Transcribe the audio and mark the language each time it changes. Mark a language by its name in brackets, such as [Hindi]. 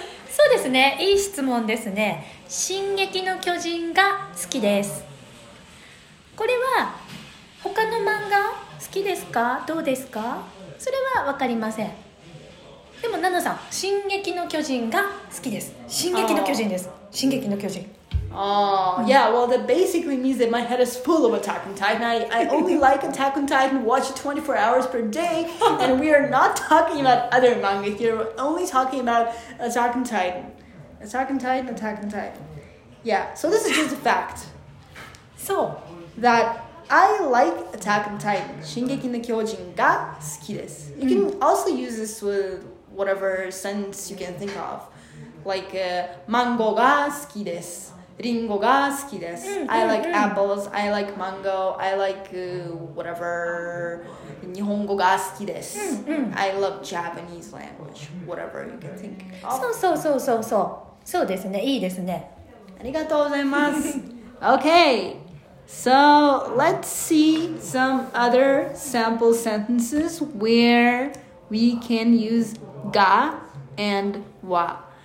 [Japanese] そうですね、いい質問ですね。進撃の巨人が好きです。これは他の漫画好きですか？どうですか？それは分かりません。でもナナさん、進撃の巨人が好きです。進撃の巨人です。進撃の巨人。 [English] Yeah, well, that basically means that my head is full of Attack on Titan. I only like Attack on Titan, watch it 24 hours per day, and we are not talking about other manga here, we're only talking about Attack on Titan. Attack on Titan, Attack on Titan. Yeah, so this is just a fact. So, that I like Attack on Titan. [Japanese] 進撃の巨人が好きです。 [English] You can also use this with whatever sentence you can think of. Like, [Japanese] マンゴーが好きです。リンゴが好きです。 [English] I like apples, I like mango, I like whatever. [Japanese] 日本語が好きです。 [English] I love Japanese language, whatever you can think of. [Japanese] そうそうそうそうそう。そうですね、いいですね。ありがとうございます。 [English] Okay, so let's see some other sample sentences where we can use ga and wa.